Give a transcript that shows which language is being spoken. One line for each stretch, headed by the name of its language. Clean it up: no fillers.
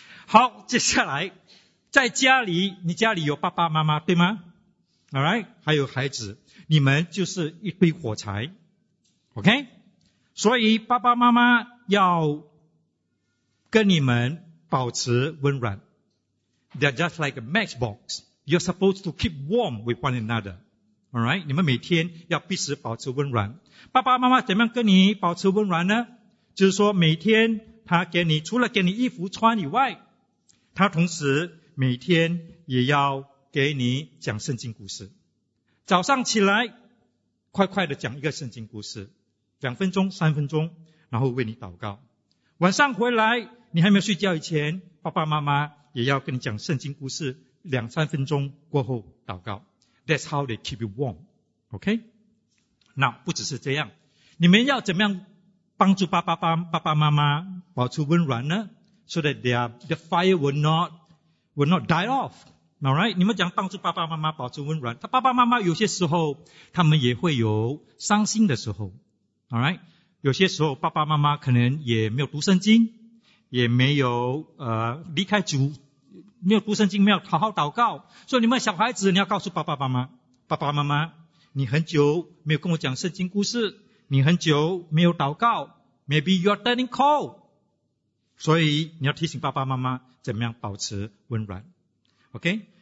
Chinese: 好，接下来在家里，你家里有爸爸妈妈对吗 ？Alright， 还有孩子，你们就是一堆火柴 ，OK？所以爸爸妈妈要跟你们保持温暖。
English: They're just like a matchbox. You're supposed to keep warm with one another. Alright?
Chinese: 你们每天要必须保持温暖。爸爸妈妈怎么样跟你保持温暖呢？就是说每天他给你，除了给你衣服穿以外，他同时每天也要给你讲圣经故事。早上起来，快快的讲一个圣经故事。两分钟、三分钟，然后为你祷告。晚上回来，你还没有睡觉以前，爸爸妈妈也要跟你讲圣经故事，两三分钟过后祷告。
English: That's how they keep you warm.
Chinese: OK? 那不只是这样。你们要怎么样帮助爸爸妈妈保持温暖呢？
English: So that the fire will not die off. Alright?
Chinese: 你们讲帮助爸爸妈妈保持温暖。他爸爸妈妈有些时候，他们也会有伤心的时候。
English: Alright?
Chinese: 有些时候爸爸妈妈可能也没有读圣经。也没有离开主，没有读圣经，没有好好祷告，所以你们小孩子，你要告诉爸爸妈妈，你很久没有跟我讲圣经故事，你很久没有祷告 ，
English: maybe you are turning cold，
Chinese: 所以你要提醒爸爸妈妈怎么样保持温暖 ，OK？